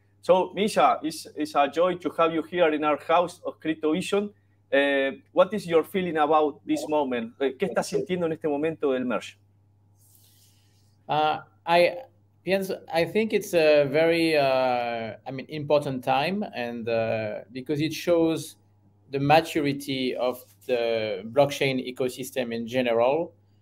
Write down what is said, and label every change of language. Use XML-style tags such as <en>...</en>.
<en>So, Misha, it's a joy to have you here in our house of CryptoVision. What is your feeling about this moment?</en> <es>¿Qué estás sintiendo en este momento del merge?</es> <en>I think it's a very important time, and because it shows the maturity of the blockchain ecosystem in general.</en>